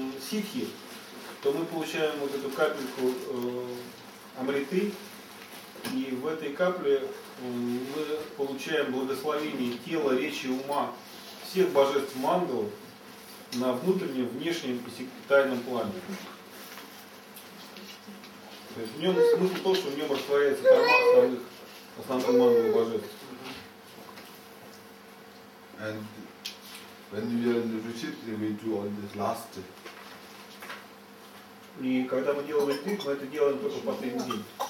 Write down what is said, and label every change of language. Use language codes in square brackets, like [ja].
[ru] ситхи, то мы получаем вот эту капельку амриты, и в этой капле мы получаем благословение тела, речи, ума всех божеств мандал на внутреннем, внешнем и тайном плане. То есть в нем смысл то, что в нем растворяется карма основных мандал божеств. [en] And when we are in the retreat, we do all this last. [ru] И когда мы делаем ретрит, мы это делаем только в последний день.